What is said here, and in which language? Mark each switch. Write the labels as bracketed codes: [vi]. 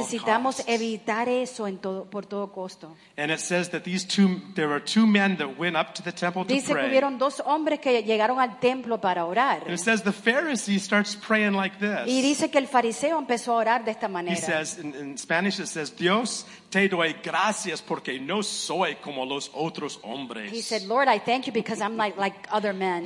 [es] Necesitamos evitar eso en todo, por todo costo. [en] And it says that there were two men that went up to the temple [es] Dice [en] to pray. [es] Dice que hubieron dos hombres que llegaron al templo para orar. [en] Says the Pharisee starts praying like this. [es] Y dice que el fariseo empezó a orar de esta manera. [en] He says, in Spanish it says, Dios, te doy gracias porque no soy como los otros hombres. He said, Lord, I thank you because I'm not like other men.